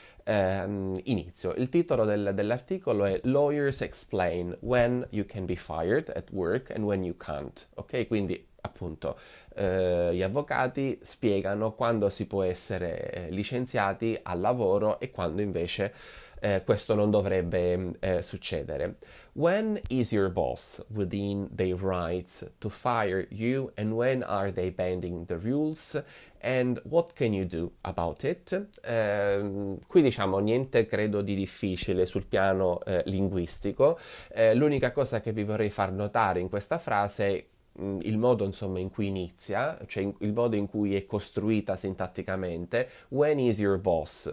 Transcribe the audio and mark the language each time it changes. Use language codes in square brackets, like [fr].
[it] Inizio. Il titolo dell'articolo è [en] Lawyers Explain When You Can Be Fired at Work and When You Can't. Ok? [it] Quindi, appunto, gli avvocati spiegano quando si può essere licenziati al lavoro e quando invece questo non dovrebbe succedere. [en] When is your boss within their rights to fire you and when are they bending the rules and what can you do about it? [it] Qui diciamo niente credo di difficile sul piano linguistico. L'unica cosa che vi vorrei far notare in questa frase è il modo, insomma, in cui inizia, cioè il modo in cui è costruita sintatticamente, [en] when is your boss?